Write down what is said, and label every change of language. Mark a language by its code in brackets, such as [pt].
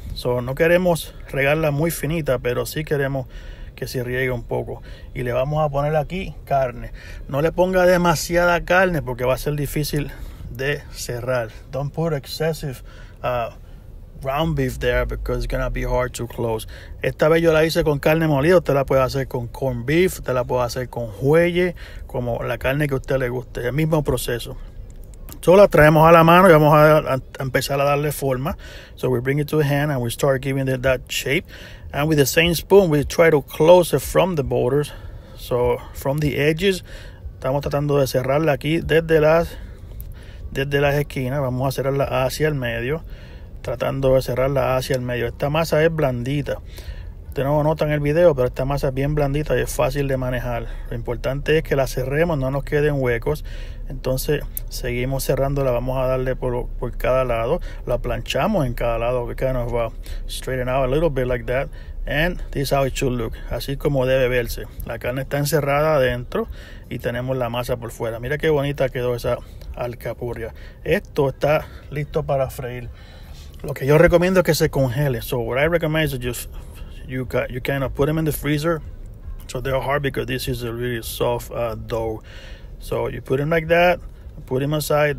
[es] So no queremos regarla muy finita, pero sí queremos que se riegue un poco. Y le vamos a poner aquí carne. No le ponga demasiada carne porque va a ser difícil de cerrar. [en] Don't put excessive ground beef there because it's gonna be hard to close. [es] Esta vez yo la hice con carne molida. Usted la puede hacer con corned beef, usted la puede hacer con jueye, como la carne que a usted le guste. El mismo proceso. Solo la traemos a la mano y vamos a empezar a darle forma. [en] So we bring it to a hand and we start giving it that shape. And with the same spoon, we try to close it from the borders. So from the edges, [es] estamos tratando de cerrarla aquí desde las esquinas. Vamos a cerrarla hacia el medio. Tratando de cerrarla hacia el medio. Esta masa es blandita. Ustedes no lo notan en el video, pero esta masa es bien blandita y es fácil de manejar. Lo importante es que la cerremos, no nos queden huecos. Entonces seguimos cerrándola. Vamos a darle por cada lado. La planchamos en cada lado. [en] We kind of straighten out a little bit like that. And this is how it should look. [es] Así como debe verse. La carne está encerrada adentro y tenemos la masa por fuera. Mira qué bonita quedó esa alcapurria. Esto está listo para freír. Lo que yo recomiendo es que se congele. [en] So what I recommend is you kind of put them in the freezer so they're hard because this is a really soft dough. So you put them like that, put them aside.